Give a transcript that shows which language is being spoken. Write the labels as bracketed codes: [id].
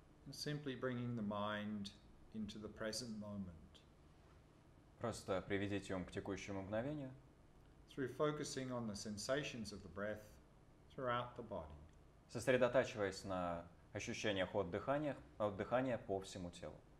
[en] Simply bringing the mind into the present moment. [ru] Просто приведите ум к текущему мгновению. [en] Through focusing on the sensations of the breath throughout the body. [ru] Сосредотачиваясь на ощущениях от дыхания по всему телу.